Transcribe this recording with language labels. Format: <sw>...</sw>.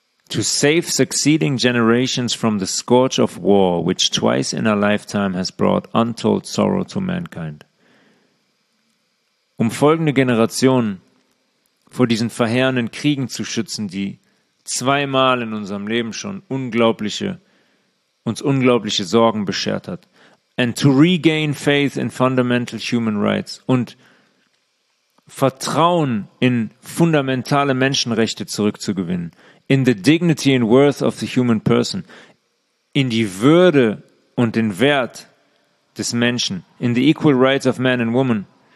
<en>To save succeeding generations from the scourge of war, which twice in a lifetime has brought untold sorrow to mankind.</en> <de>Um folgende Generationen vor diesen verheerenden Kriegen zu schützen, die zweimal in unserem Leben schon uns unglaubliche Sorgen beschert hat.</de> <en>And to regain faith in fundamental human rights</en> <de>und Vertrauen in fundamentale Menschenrechte zurückzugewinnen.</de> <en>In the dignity and worth of the human person.</en> <de>In die Würde und den Wert des Menschen.</de> <en>In the equal rights of man and woman.</en>